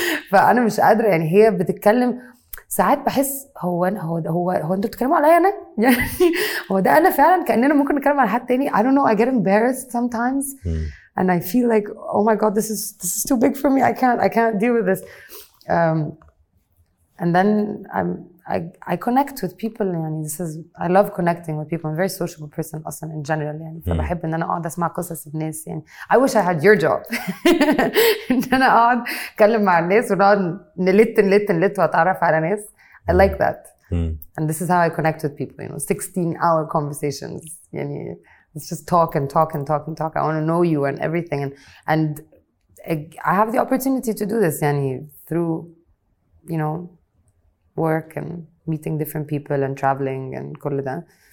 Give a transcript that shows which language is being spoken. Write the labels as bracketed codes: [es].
[ar] فأنا مش قادرة يعني هي بتتكلم ساعات بحس هو أنا هو أنتوا بتتكلموا علي أنا يعني هو ده أنا فعلاً كأننا ممكن نتكلم على حد تاني. [en] I don't know. I get embarrassed sometimes. And I feel like, oh my God, this is too big for me. I can't deal with this. And then I connect with people. يعني this is I love connecting with people. I'm a very sociable person, also in general. [ar] يعني فبحب إن أنا أقعد أسمع قصص الناس. [en] يعني I wish I had your job. [ar] إن أنا أقعد أتكلم مع الناس ونقعد نلت وأتعرف على ناس. [en] I like that. And this is how I connect with people. You know, 16-hour conversations. يعني it's just talk and talk and talk and talk. I want to know you and everything. And I have the opportunity to do this, yani, through, you know, work and meeting different people and traveling and [ar] كل ده.